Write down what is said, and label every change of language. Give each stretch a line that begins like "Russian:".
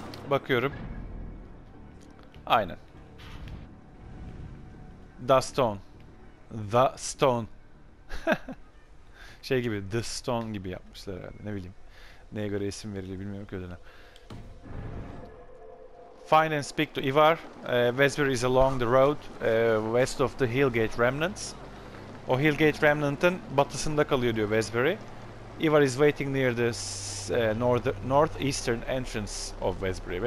Turkish: Bakıyorum. Aynen.
English: The Stone. The Stone.
Turkish: Şey gibi, The Stone gibi yapmışlar herhalde. Ne bileyim. Neye göre isim veriliyor bilmiyorum ki ödene.
English: Find and speak to Ivar. Westbury is along the road west of the Hillgate Remnants.
Turkish: O Hillgate Remnant'ın batısında kalıyor diyor Westbury.
English: Ivar is waiting near the northeastern entrance of Westbury.